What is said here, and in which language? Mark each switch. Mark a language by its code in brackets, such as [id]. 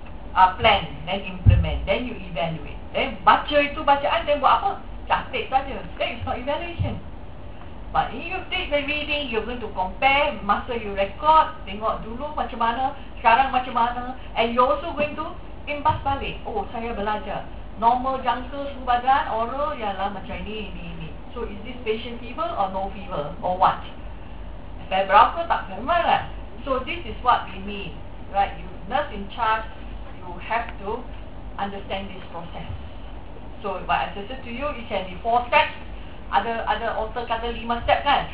[en] Plan, then implement, then you evaluate. Then [ms] baca itu bacaan, [en] then [ms] buat apa? Catat saja. [en] That is not evaluation. But if you take the reading, you're going to compare masa you record, [ms] tengok dulu macam mana, [en] sekarang macam mana, and you're also going to [ms] imbas balik. Oh, saya belajar. Normal jangka suhu badan, oral, ialah macam ini. [en] So, is this patient fever or no fever? Or what? [ms] Fever apa tak fever kan? [en] So, this is what we mean. Right? You nurse in charge, you have to understand this process. So, what I suggested to you, it can be 4 steps. [ms] Ada author kata 5 step kan?